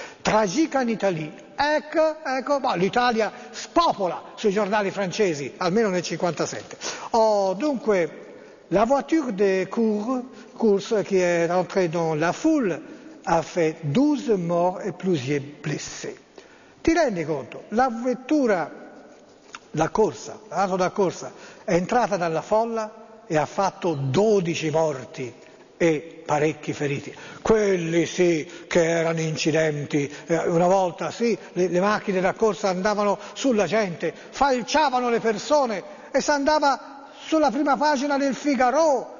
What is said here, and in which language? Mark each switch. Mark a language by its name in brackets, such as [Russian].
[Italian] Tragica in Italia, ecco, ma l'Italia spopola sui giornali francesi, almeno nel 57. Oh, dunque, [French] la voiture de course qui est entrée dans la foule a fait 12 morts et plusieurs blessés. [Italian] Ti rendi conto? La vettura, la corsa, è entrata dalla folla e ha fatto 12 morti e parecchi feriti. Quelli sì che erano incidenti, una volta sì, le macchine da corsa andavano sulla gente, falciavano le persone e si andava sulla prima pagina del Figaro.